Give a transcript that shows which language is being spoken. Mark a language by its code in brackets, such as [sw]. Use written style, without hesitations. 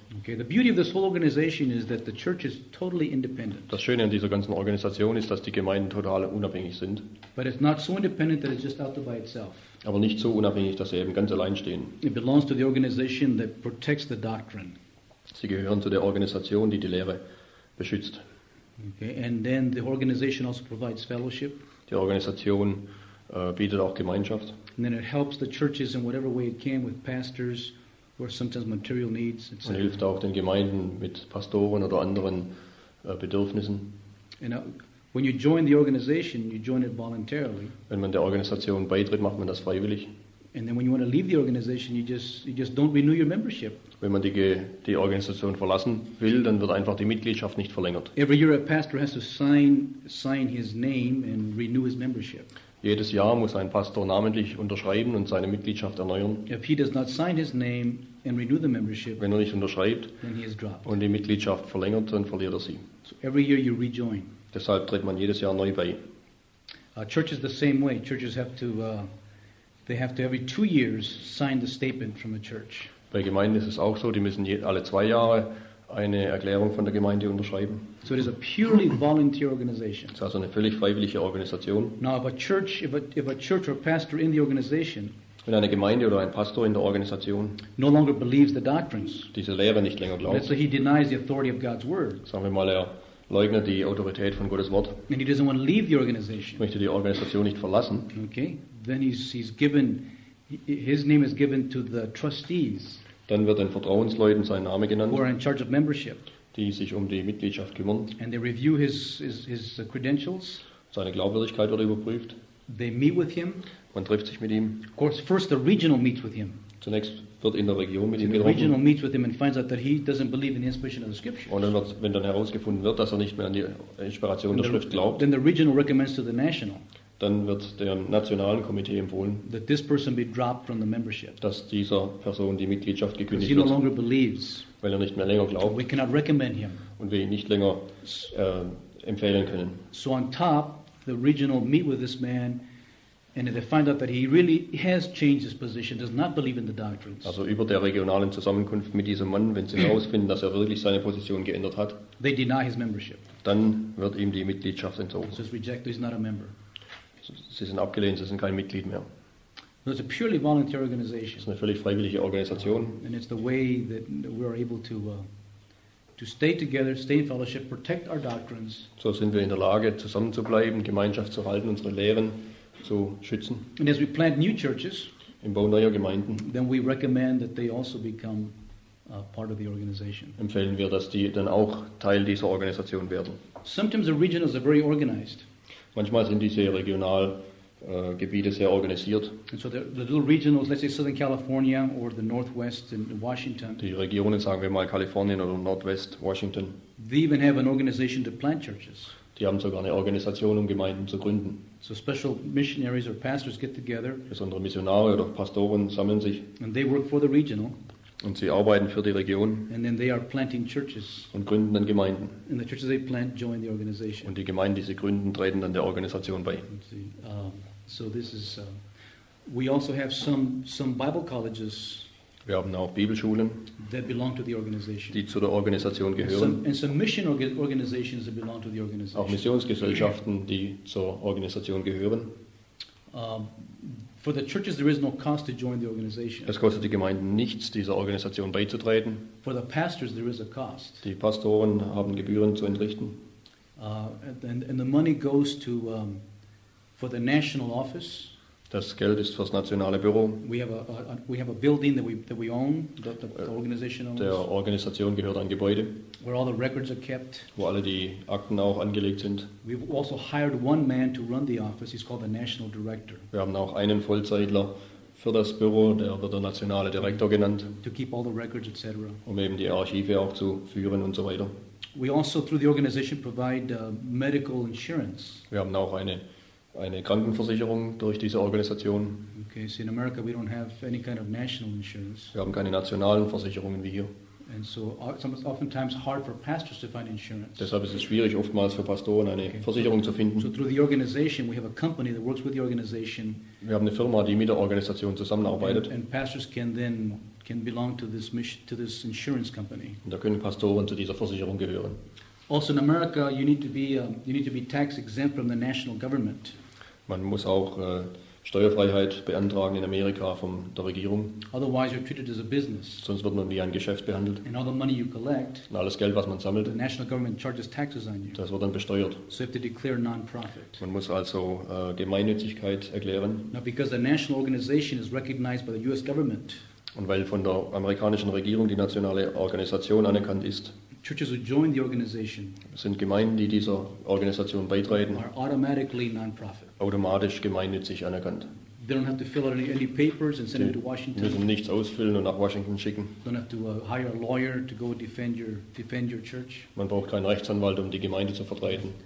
[en] Okay, the beauty of this whole organization is that the church is totally independent. [de] Das Schöne an dieser ganzen Organisation ist, dass die Gemeinden total unabhängig sind. [en] But it's not so independent that it's just out there by itself. [de] Aber nicht so unabhängig, dass sie eben ganz allein stehen. [en] It belongs to the organization that protects the doctrine. [de] Sie gehören zu der Organisation, die die Lehre beschützt. [en] Okay, and then the organization also provides fellowship. [de] Die Organisation bietet auch Gemeinschaft. [en] And then it helps the churches in whatever way it can with pastors or sometimes material needs, etc. [de] Und hilft auch den Gemeinden mit Pastoren oder anderen Bedürfnissen. [en] And when you join the organization, you join it voluntarily. [de] Wenn man der Organisation beitritt, macht man das freiwillig. [en] And then when you want to leave the organization, you just don't renew your membership. [de] Wenn man die Organisation verlassen will, dann wird einfach die Mitgliedschaft nicht verlängert. [en] Every year a pastor has to sign his name and renew his membership. [de] Jedes Jahr muss ein Pastor namentlich unterschreiben und seine Mitgliedschaft erneuern. [en] If he does not sign his name and renew the membership, [de] wenn er nicht unterschreibt, [en] then he is dropped. [de] Und die Mitgliedschaft verlängert, dann verliert er sie. [en] So every year you rejoin. [de] Deshalb tritt man jedes Jahr neu bei. [en] Church is the same way. Churches have to every 2 years sign the statement from the church. [de] Bei Gemeinden ist es auch so, die müssen alle 2 Jahre eine Erklärung von der Gemeinde unterschreiben. [en] So it is a purely volunteer organization. [de] Es ist also eine völlig freiwillige Organisation. [en] Now if a church or pastor in the organization, [de] wenn eine Gemeinde oder ein Pastor in der Organisation [en] no longer believes the doctrines, [de] diese Lehre nicht länger glaubt, [en] let's say he denies the authority of God's word, [de] sagen wir mal, er leugnet die Autorität von Gottes Wort, [en] and he doesn't want to leave the organization, [de] möchte die Organisation nicht verlassen, [en] okay, then he's given, his name is given to the trustees. [de] Dann wird den Vertrauensleuten sein Name genannt, [en] who are in charge of membership, [de] die sich um die Mitgliedschaft kümmern. [en] And they review his credentials. [de] Seine Glaubwürdigkeit wird überprüft. [en] They meet with him. [de] Man trifft sich mit ihm. [en] Of course, first the regional meets with him. [de] Zunächst wird in der Region mit ihm getroffen. [en] The regional meets with him and finds out that he doesn't believe in the inspiration of the scriptures. [de] Und wenn dann herausgefunden wird, dass er nicht mehr an die Inspiration der Schrift glaubt, [en] then the regional recommends to the national. [de] Dann wird der nationalen Komitee empfohlen, [en] that this person be dropped from the membership, [de] dass dieser Person die Mitgliedschaft gekündigt [en] wird, longer believes, [de] weil er nicht mehr länger glaubt, [en] we cannot recommend him, [de] und wir ihn nicht länger empfehlen können. [en] So on top, the regional meet with this man And they find out that he really has changed his position, does not believe in the doctrines. [de] Also über der regionalen Zusammenkunft mit diesem Mann, wenn sie herausfinden, dass er wirklich seine Position geändert hat, [en] they deny his membership. [de] Dann wird ihm die Mitgliedschaft entzogen. [en] So he's rejected, he's not a member. [de] Sie sind abgelehnt, sie sind kein Mitglied mehr. [en] So it's a purely voluntary organization. [de] Es ist eine völlig freiwillige Organisation. [en] And it's the way that we're able to stay together, stay in fellowship, protect our doctrines. [de] So sind wir in der Lage, zusammenzubleiben, Gemeinschaft zu halten, unsere Lehren zu schützen. [en] And as we plant new churches, [de] im Bau neuer Gemeinden, [en] then we recommend that they also become part of the organization. [de] Empfehlen wir, dass die dann auch Teil dieser Organisation werden. [en] Sometimes the regionals are very organized. [de] Manchmal sind diese Regionalgebiete sehr organisiert. [en] And so the little regionals, let's say Southern California or the Northwest in Washington. [de] Die Regionen, sagen wir mal Kalifornien oder Northwest Washington. [en] They even have an organization to plant churches. [de] Die haben sogar eine Organisation, um Gemeinden zu gründen. [en] So special missionaries or pastors get together. [de] Besondere Missionare oder Pastoren sammeln sich. [en] And they work for the regional. [de] Und sie arbeiten für die Region. [en] And then they are planting churches. [de] Und gründen dann Gemeinden. [en] And the churches they plant join the organization. [de] Und die Gemeinden, die sie gründen, treten dann der Organisation bei. [en] So this is. We also have some Bible colleges. [de] Wir haben auch Bibelschulen, [en] that belong to the organization. [de] Die zu der Organisation gehören. [en] And some mission organizations that belong to the organization. [de] Auch Missionsgesellschaften, die zur Organisation gehören. [en] For the churches, there is no cost to join the organization. [de] Es kostet die Gemeinden nichts, dieser Organisation beizutreten. [en] For the pastors, there is a cost. [de] Die Pastoren haben Gebühren zu entrichten. [en] And the money goes to for the national office. [de] Das Geld ist fürs nationale Büro. [en] We have a building that we own, that the organization owns. [de] Der Organisation gehört ein Gebäude. [en] Where all the records are kept. [de] Wo alle die Akten auch angelegt sind. [en] We've also hired one man to run the office. He's called the national director. [de] Wir haben auch einen Vollzeitler für das Büro, der wird der nationale Direktor genannt. [en] To keep all the records, etc. [de] Um eben die Archive auch zu führen und so weiter. [en] We also through the organization provide medical insurance. [de] Wir haben auch eine Krankenversicherung durch diese Organisation. [en] Okay, so in America we don't have any kind of national insurance. [de] Wir haben keine nationalen Versicherungen wie hier. [en] And so it's oftentimes hard for pastors to find insurance. [de] Deshalb ist es schwierig oftmals für Pastoren eine Versicherung zu finden. [en] So through the organization we have a company that works with the organization. [de] Wir haben eine Firma, die mit der Organisation zusammenarbeitet. [en] And pastors can belong to this insurance company. [de] Und da können Pastoren zu dieser Versicherung gehören. [en] Also in America, you need to be tax exempt from the national government. [de] Man muss auch Steuerfreiheit beantragen in Amerika von der Regierung. [en] Otherwise, you're treated as a business. [de] Sonst wird man wie ein Geschäft behandelt. [en] And all the money you collect. [de] Und alles Geld, was man sammelt. [en] The national government charges taxes on you. [de] Das wird dann besteuert. [en] So you have to declare non-profit. [de] Man muss also Gemeinnützigkeit erklären. [en] Now, because the national organization is recognized by the U.S. government. [de] Und weil von der amerikanischen Regierung die nationale Organisation anerkannt ist. [en] Churches who join the organization [de] sind Gemeinden, die dieser Organisation beitreten, [en] are automatically non-profit. [de] Automatisch gemeinnützig anerkannt. [en] They don't have to fill out any papers and send them to Washington. [de] Müssen nichts ausfüllen und nach Washington schicken. [en] Don't have to hire a lawyer to go defend your church. [de] Man braucht keinen Rechtsanwalt, um die Gemeinde zu vertreten.